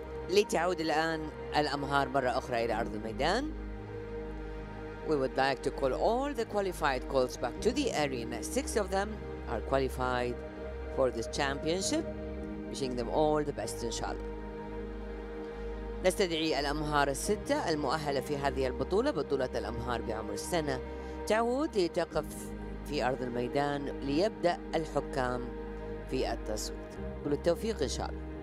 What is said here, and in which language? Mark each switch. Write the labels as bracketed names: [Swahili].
[Arabic] لتعود الآن الأمهار مرة أخرى إلى أرض الميدان. [English] We would like to call all the qualified colts back to the arena. Six of them are qualified for this championship. Wishing them all the best inshallah. [Arabic] نستدعي الأمهار الستة المؤهلة في هذه البطولة، بطولة الأمهار بعمر السنة، تعود لتقف في أرض الميدان ليبدأ الحكام في التصويت. كل التوفيق إن شاء الله.